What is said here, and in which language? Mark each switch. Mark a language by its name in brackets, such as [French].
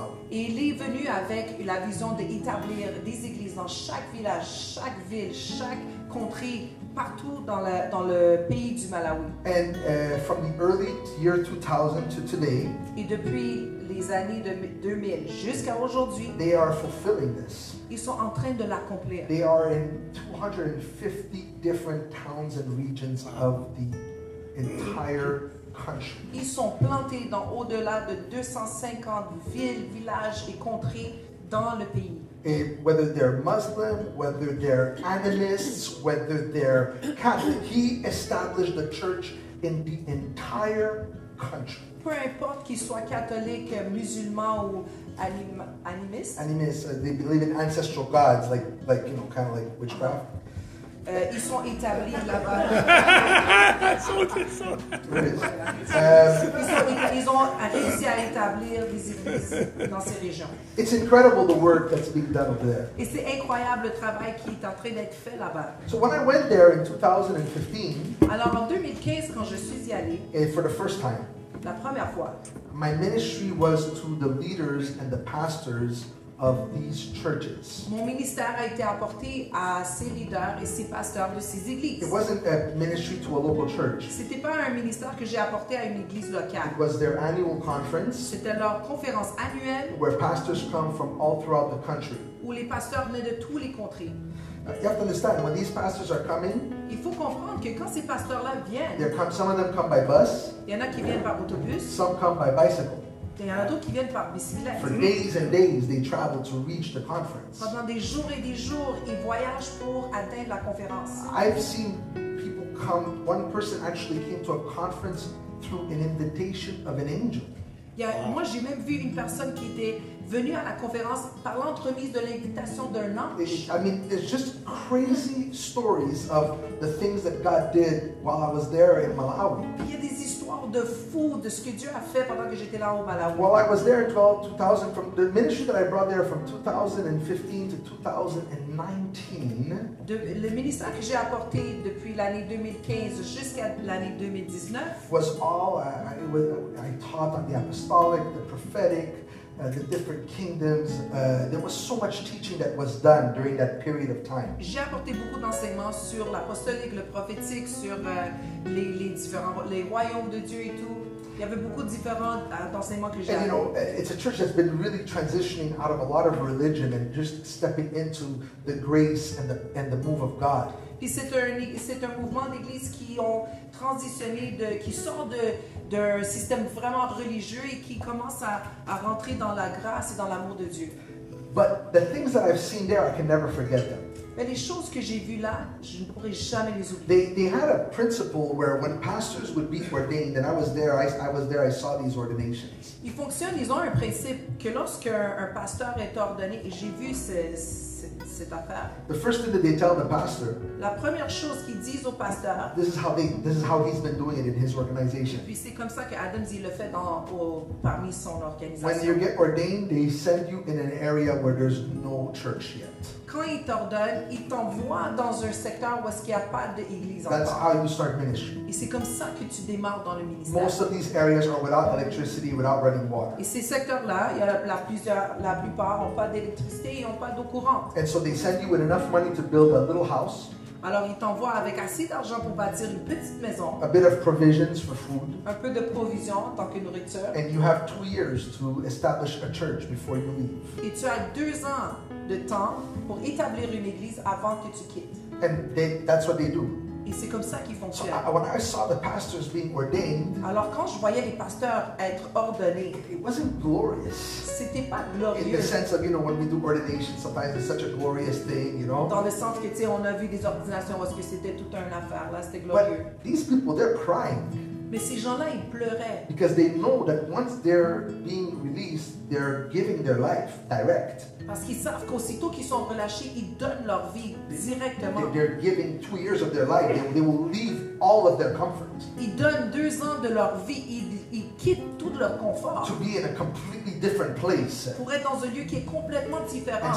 [French] Et il est venu avec la vision d'établir des églises dans chaque village, chaque ville, chaque contrée, partout dans le pays du Malawi. [English] And from the early year 2000 to today, [French] et depuis les années de 2000 jusqu'à aujourd'hui, [English] they are fulfilling this. [French] Ils sont en train de l'accomplir. [English] They are in 250 different towns and regions of the entire country. [French] Ils sont plantés dans au-delà de 250 villes, villages et contrées dans le pays. [English] And whether they're Muslim, whether they're animists, whether they're Catholic, he established the church in the entire country. [French] Peu importe qu'ils soient catholiques, musulmans ou animistes. [English] Animists, they believe in ancestral gods, like you know, kind of like witchcraft. [French] Ils sont établis là-bas. Ils ont réussi à établir des églises dans ces régions. [English] It's incredible the work that's being done over there. [French] Et c'est incroyable le travail qui est en train d'être fait là-bas. [English] So when I went there in 2015, [French] alors en 2015 quand je suis y allé, [English] and for the first time, [French] la première fois, [English] my ministry was to the leaders and the pastors of these churches. [French] Mon ministère a été apporté à ces leaders et ces pasteurs de ces églises. [English] It wasn't a ministry to a local church. [French] C'était pas un ministère que j'ai apporté à une église locale. [English] It was their annual conference. [French] C'était leur conférence annuelle. [English] Where pastors come from all throughout the country. [French] Où les pasteurs venaient de tous les contrées. [English] You have to understand when these pastors are coming. [French] Il faut comprendre que quand ces pasteurs-là viennent. [English] They come. Some of them come by bus. [French] Il y en a qui viennent par autobus. [English] Some come by bicycle. For days and days, they travel to reach the conference. [French] Pendant des jours et des jours, ils voyagent pour atteindre la conférence. [English] I've seen people come. One person actually came to a conference through an invitation of an angel. [French] Moi, j'ai même vu une personne qui était venue à la conférence par l'entremise de l'invitation d'un ange. [English] I mean, it's just crazy stories of the things that God did while I was there in Malawi. [French] Il y a des histoires de fous de ce que Dieu a fait pendant que j'étais là au Malawi. [English] While I was there in 2000, from the ministry that I brought there from 2015 to 2019. [French] Le ministère que j'ai apporté depuis l'année 2015 jusqu'à l'année 2019. [English] Was all I taught on the apostolic, the prophetic. The different kingdoms. There was so much teaching that was done during that period of time. [French] J'ai apporté beaucoup d'enseignements sur l'apostolique, le prophétique, sur les différents les royaumes de Dieu et tout. Il y avait beaucoup de différents enseignements que j'ai. [English] And you know, it's a church that's been really transitioning out of a lot of religion and just stepping into the grace and the move of God. [French] Puis c'est un mouvement d'église qui ont transitionné qui sort d'un système vraiment religieux et qui commence à rentrer dans la grâce et dans l'amour de Dieu. [English] But the things that I've seen there, I can never forget them. [French] Mais les choses que j'ai vues là, je ne pourrai jamais les oublier. [English] They had a principle where when pastors would be ordained, and I was there, I saw these ordinations. [French] Ils fonctionnent, ils ont un principe que lorsqu'un pasteur est ordonné, et j'ai vu cette affaire. [English] The first thing that they tell the pastor. [French] La première chose qu'ils disent au pasteur. [English] This is how he's been doing it in his organization. [French] Puis c'est comme ça que Adams il le fait parmi son organisation. [English] When you get ordained, they send you in an area where there's no church yet. [French] Quand ils t'ordonnent, ils t'envoient dans un secteur où est-ce qu'il y a pas d'église encore. [English] That's how you start ministry. [French] Et c'est comme ça que tu démarres dans le ministère. [English] Most of these areas are without electricity, without running water. [French] Et ces secteurs-là, la plupart ont pas d'électricité et ont pas d'eau courante. [English] And so they send you with enough money to build a little house. [French] Alors ils t'envoient avec assez d'argent pour bâtir une petite maison. [English] A bit of provisions for food. [French] Un peu de provisions en tant que nourriture. [English] And you have 2 years to establish a church before you leave. [French] Et tu as 2 ans de temps pour établir une église avant que tu quittes. [English] And that's what they do. [French] Et c'est comme ça qu'ils fonctionnent. [English] So when I saw the pastors being ordained. [French] Alors quand je voyais les pasteurs être ordonnés. [English] It wasn't glorious. [French] C'était pas glorieux. [English] In the sense of, you know, when we do ordination, sometimes it's such a glorious thing, you know. [French] Dans le sens que, tu sais, on a vu des ordinations parce que c'était toute une affaire. Là, c'était glorieux. [English] But these people, they're crying. [French] Mais ces gens-là, ils pleuraient. [English] Because they know that once they're being released, they're giving their life direct. [French] Parce qu'ils savent qu'aussitôt qu'ils sont relâchés, ils donnent leur vie directement. [English] They're giving 2 years of their life. They will leave all of their comfort. [French] Ils donnent 2 ans de leur vie. Ils quittent tout leur confort. [English] To be in a completely different place. [French] Pour être dans un lieu qui est complètement différent.